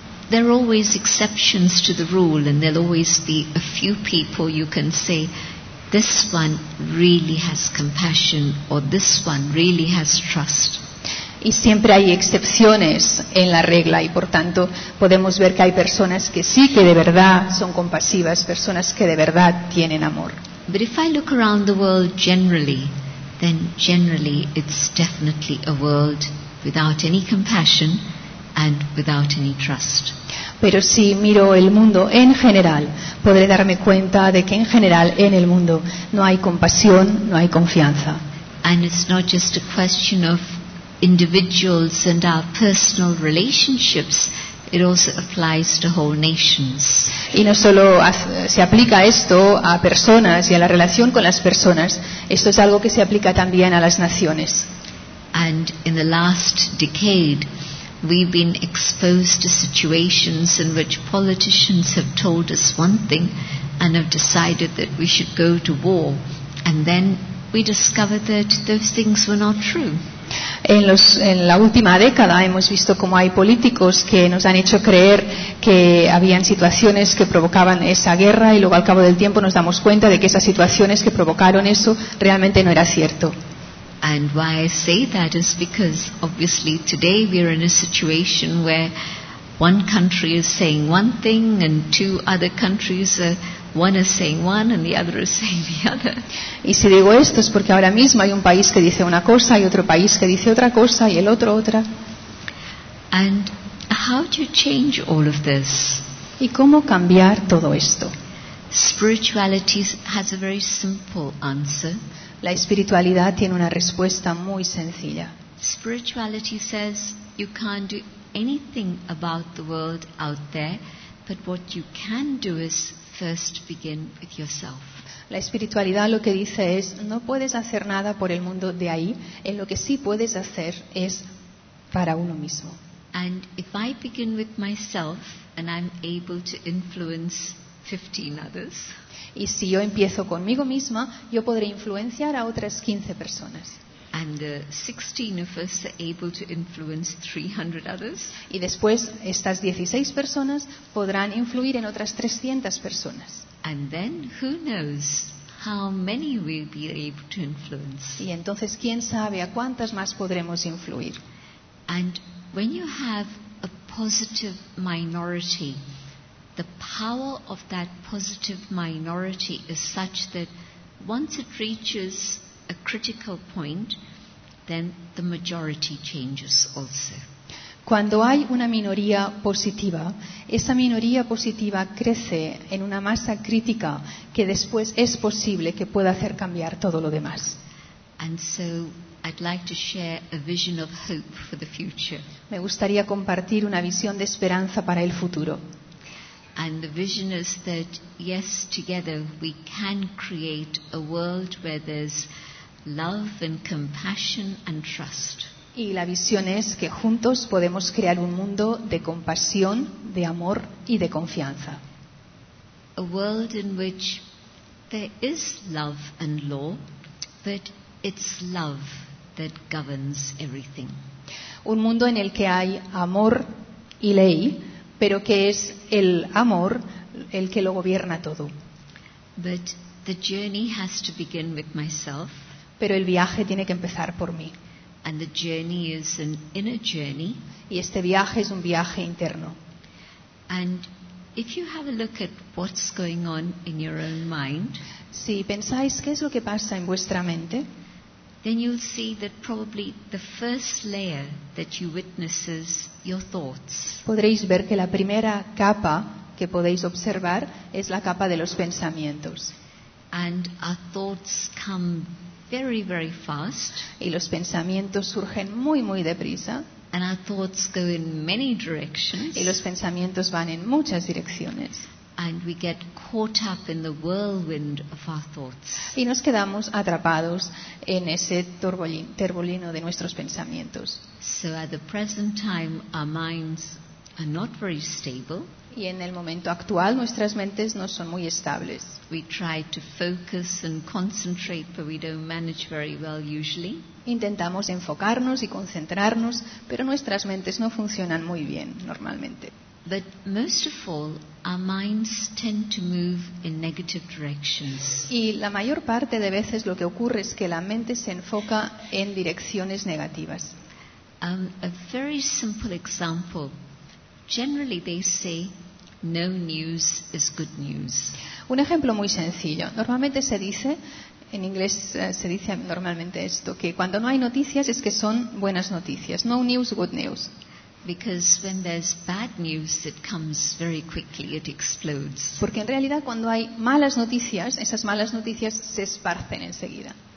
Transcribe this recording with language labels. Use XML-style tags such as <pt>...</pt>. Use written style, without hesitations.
<en>There are always exceptions to the rule, and there'll always be a few people you can say, this one really has compassion, or this one really has trust.</en> <es>Y siempre hay excepciones en la regla, y por tanto podemos ver que hay personas que sí que de verdad son compasivas, personas que de verdad tienen amor.</es> <en>But if I look around the world generally, then generally it's definitely a world without any compassion and without any trust.</en> <es>Pero si miro el mundo en general, podré darme cuenta de que en general en el mundo no hay compasión, no hay confianza.</es> <en>And it's not just a question of individuals and our personal relationships, it also applies to whole nations.</en> <es>Y no solo se aplica esto a personas y a la relación con las personas, esto es algo que se aplica también a las naciones.</es> <en>And in the last decade, we've been exposed to situations in which politicians have told us one thing and have decided that we should go to war, and then we discover that those things were not true.</en> <es>En la última década hemos visto cómo hay políticos que nos han hecho creer que habían situaciones que provocaban esa guerra, y luego al cabo del tiempo nos damos cuenta de que esas situaciones que provocaron eso realmente no era cierto.</es> <en>And why I say that is because obviously today we are in a situation where one country is saying one thing and two other countries are, one is saying one and the other is saying the other.</en> <es>Y si digo esto es porque ahora mismo hay un país que dice una cosa y otro país que dice otra cosa y el otro otra.</es> <en>And how do you change all of this?</en> <es>¿Y cómo cambiar todo esto?</es> <en>Spirituality has a very simple answer.</en> <es>La espiritualidad tiene una respuesta muy sencilla.</es> <en>Spirituality says you can't do anything about the world out there, but what you can do is first begin with yourself.</en> <es>La espiritualidad lo que dice es no puedes hacer nada por el mundo de ahí, en lo que sí puedes hacer es para uno mismo.</es> <en>And if I begin with myself and I'm able to influence 15 others.</en> <es>Y si yo empiezo conmigo misma, yo podré influenciar a otras 15 personas.</es> <en>And the 16 of us are able to influence 300 others.</en> <es>Y después estas 16 personas podrán influir en otras 300 personas.</es> <en>And then who knows how many we'll be able to influence.</en> <es>Y entonces quién sabe a cuántas más podremos influir.</es> <en>And when you have a positive minority, the power of that positive minority is such that once it reaches a critical point, then the majority changes also.</en> <es>Cuando hay una minoría positiva, esa minoría positiva crece en una masa crítica que después es posible que pueda hacer cambiar todo lo demás.</es> <en>And so I'd like to share a vision of hope for the future.</en> <es>Me gustaría compartir una visión de esperanza para el futuro.</es> <en>And the vision is that yes, together we can create a world where there's love and compassion and trust.</en> <es>Y la visión es que juntos podemos crear un mundo de compasión, de amor y de confianza.</es> <en>A world in which there is love and law, but it's love that governs everything.</en> <es>Un mundo en el que hay amor y ley, pero que es el amor el que lo gobierna todo.</es> <en>But the journey has to begin with myself.</en> <es>Pero el viaje tiene que empezar por mí.</es> <en>And the journey is an inner journey.</en> <es>Y este viaje es un viaje interno.</es> <en>And if you have a look at what's going on in your own mind,</en> <es>si pensáis qué es lo que pasa en vuestra mente,</es> <en>then you'll see that probably the first layer that you witness is your thoughts.</en> <es>Podréis ver que la primera capa que podéis observar es la capa de los pensamientos.</es> <en>And our thoughts come very, very fast.</en> <es>Y los pensamientos surgen muy, muy deprisa.</es> <en>And our thoughts go in many directions.</en> <es>Y los pensamientos van en muchas direcciones.</es> <en>And we get caught up in the whirlwind of our thoughts.</en> <es>Y nos quedamos atrapados en ese torbellino de nuestros pensamientos.</es> <en>So at the present time, our minds are not very stable.</en> <es>Y en el momento actual nuestras mentes no son muy estables.</es> <en>We try to focus and concentrate, but we don't manage very well usually.</en> <es>Intentamos enfocarnos y concentrarnos, pero nuestras mentes no funcionan muy bien normalmente.</es> <en>But most of all, our minds tend to move in negative directions.</en> <es>Y la mayor parte de veces lo que ocurre es que la mente se enfoca en direcciones negativas.</es> <en>A very simple example. Generally they say no news is good news.</en> <es>Un ejemplo muy sencillo. Normalmente se dice, en inglés se dice normalmente esto, que cuando no hay noticias es que son buenas noticias.</es> <en>No news, good news. Because when there's bad news, it comes very quickly, it explodes.</en> <es>Porque en realidad cuando hay malas noticias, esas malas noticias se esparcen enseguida.</es>